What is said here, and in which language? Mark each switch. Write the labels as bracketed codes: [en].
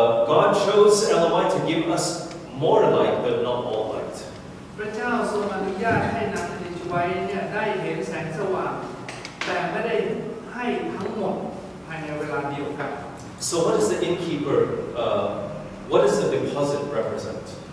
[en] God chose Elamite to give us more light but not all light [th] พระเจ้าทรงอนุญาตให้นางอลิจวายเนี่ยได้เห็นแสงสว่างแต่ไม่ได้ให้ทั้งหมดภายในเวลาเดียวกัน [en] So what does the innkeeper what does the deposit represent